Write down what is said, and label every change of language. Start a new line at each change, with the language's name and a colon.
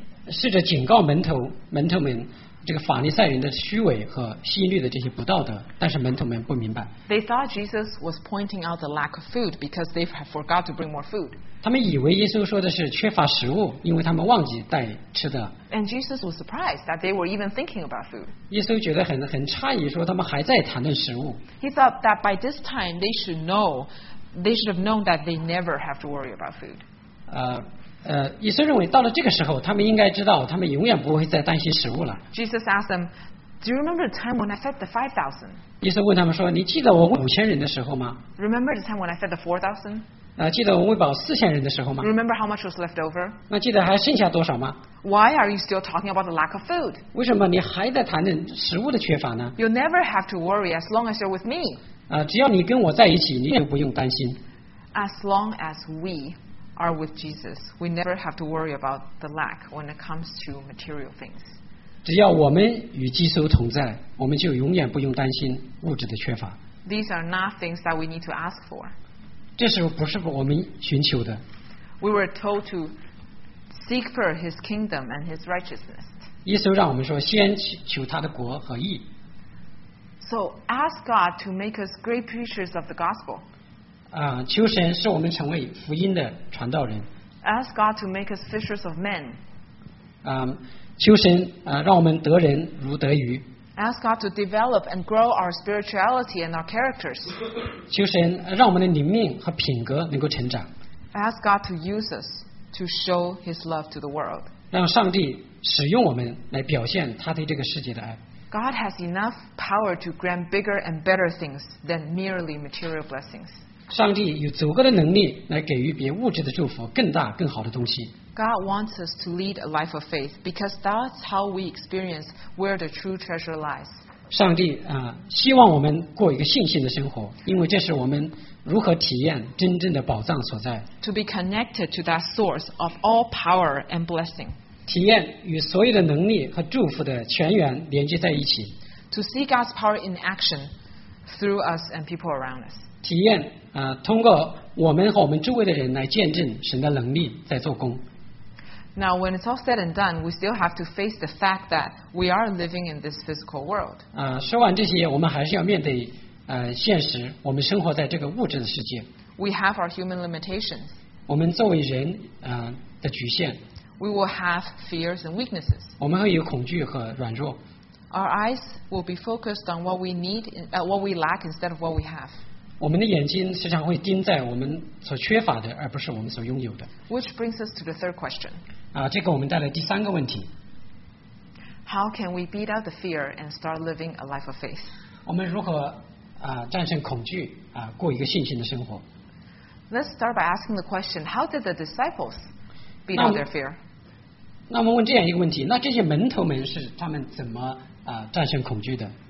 Chinese: 试着警告门徒们这个法利赛人的虚伪和心律的这些不道德，但是门徒们不明白。
English: They thought Jesus was pointing out the lack of food because they had forgot to bring more food.
Chinese: 他们以为耶稣说的是缺乏食物，因为他们忘记带吃的。
English: And Jesus was surprised that they were even thinking about food.
Chinese: 耶稣觉得很诧异，说他们还在谈论食物。
English: He thought that by this time they should have known that they never have to worry about food.
Chinese: 耶稣认为到了这个时候，他们应该知道，他们永远不会再担心食物了。
English: Jesus asked them, "Do you remember the time when I fed the 5,000?"
Chinese: 耶稣问他们说：“你记得我喂5,000人的时候吗
English: ？”Remember the time when I fed the 4,000?
Chinese: 记得我喂饱4,000人的时候吗
English: ？Remember how much was left over?
Chinese: 那记得还剩下多少吗
English: ？Why are you still talking about the lack of food?
Chinese: 为什么你还在谈论食物的缺乏呢
English: ？You'll never have to worry as long as you're with me.
Chinese: 只要你跟我在一起，你就不用担心。
English: As long as we are with Jesus, we never have to worry about the lack when it comes to material things.
Chinese: 只要我们与基督同在，我们就永远不用担心物质的缺乏。
English: These are not things that we need to ask for.
Chinese: 这是不是我们寻求的
English: ？We were told to seek for His kingdom and His righteousness.
Chinese: 耶稣让我们说，先求他的国和义。
English: So ask God to make us great preachers of the gospel.
Chinese: 求神使我们成为福音的传道人。
English: Ask God to make us fishers of men.
Chinese: 求神让我们得人如得鱼。
English: Ask God to develop and grow our spirituality and our characters.
Chinese: 求神让我们的灵命和品格能够成长。
English: Ask God to use us to show His love to the world.
Chinese: 让上帝使用我们来表现他对这个世界的爱。
English: God has enough power to grant bigger and better things than merely material blessings.
Chinese: 上帝有足够的能力来给予比物质的祝福更大更好的东西。
English: God wants us to lead a life of faith because that's how we experience where the true treasure lies.
Chinese: 上帝希望我们过一个信心的生活，因为这是我们如何体验真正的宝藏所在。
English: To be connected to that source of all power and blessing.
Chinese: 体验与所有的能力和祝福的泉源连接在一起。
English: To see God's power in action through us and people around us.
Chinese: 体验通过我们和我们周围的人来见证神的能力在做工。
English: Now, when it's all said and done, we still have to face the fact that we are living in this physical world.
Chinese: 说完这些，我们还是要面对现实，我们生活在这个物质的世界。
English: We have our human limitations.
Chinese: 我们作为人的局限。
English: We will have fears and weaknesses.
Chinese: 我们会有恐惧和软弱。
English: Our eyes will be focused on what we need, what we lack instead of what we have.
Chinese: 我们的眼睛时常会盯在我们所缺乏的，而不是我们所拥有的。
English: Which brings us to the third question.
Chinese: 这个我们带来第三个问题。
English: How can we beat out the fear and start living a life of faith?
Chinese: 我们如何战胜恐惧过一个信心的生活。
English: Let's start by asking the question, how did the disciples beat out their fear?
Chinese: 那我们问这样一个问题，那这些门徒们是他们怎么战胜恐惧的？